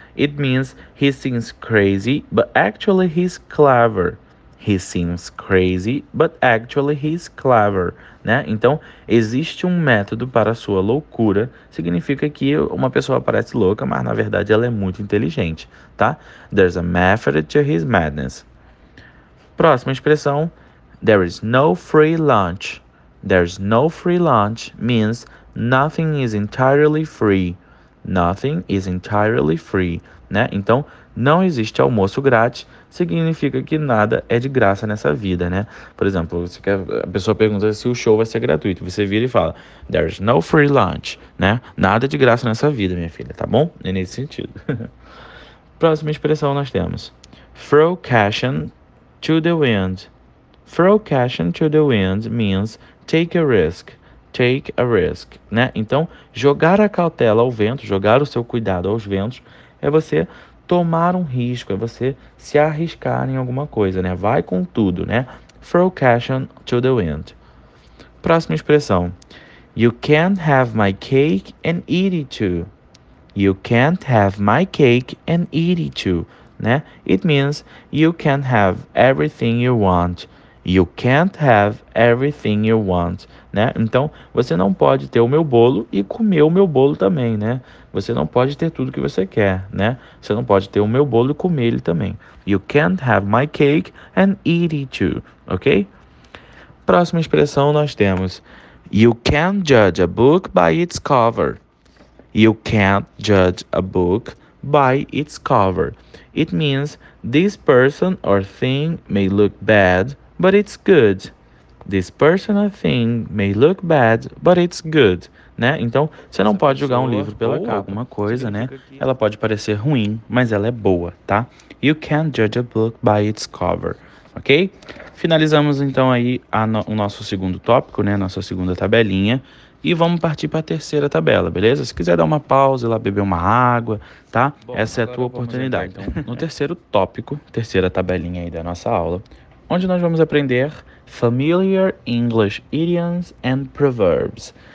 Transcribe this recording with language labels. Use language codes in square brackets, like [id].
[en] It means he seems crazy, but actually he's clever. He seems crazy, but actually he's clever. Né? [pt] Então, existe um método para a sua loucura. Significa que uma pessoa parece louca, mas na verdade ela é muito inteligente. [en] Tá? There's a method to his madness. [pt] Próxima expressão. [en] There is no free lunch. There's no free lunch means nothing is entirely free. Nothing is entirely free. Né? [pt] Então, não existe almoço grátis significa que nada é de graça nessa vida. Né? Por exemplo, você quer, a pessoa pergunta se o show vai ser gratuito. Você vira e fala, [en] there's no free lunch. [pt] Né? Nada de graça nessa vida, minha filha. Tá bom? É nesse sentido. Próxima expressão nós temos. [en] Throw caution to the wind. Throw caution to the wind means take a risk. Take a risk. Né? [pt] Então, jogar a cautela ao vento, jogar o seu cuidado aos ventos, é você tomar um risco, é você se arriscar em alguma coisa, né? Vai com tudo, né? [en] Throw caution to the wind. [pt] Próxima expressão. [en] You can't have my cake and eat it too. You can't have my cake and eat it too. Né? It means you can't have everything you want. You can't have everything you want, né? [pt] Então, você não pode ter o meu bolo e comer o meu bolo também, né? Você não pode ter tudo que você quer, né? Você não pode ter o meu bolo e comer ele também. [en] You can't have my cake and eat it too, ok? [pt] Próxima expressão nós temos. [en] You can't judge a book by its cover. You can't judge a book by its cover. It means this person or thing may look bad, but it's good. This personal thing may look bad, but it's good. Né? [pt] Então, você não pode julgar um livro pela capa. Alguma coisa, né? Ela pode parecer ruim, mas ela é boa, tá? [en] You can't judge a book by its cover. Ok? [pt] Finalizamos, então, aí o nosso segundo tópico, né? Nossa segunda tabelinha. E vamos partir para a terceira tabela, beleza? Se quiser dar uma pausa, ir lá beber uma água, tá? Bom, essa é a tua oportunidade. Entrar, então. No terceiro tópico, terceira tabelinha aí da nossa aula, onde nós vamos aprender [en] familiar English idioms and proverbs.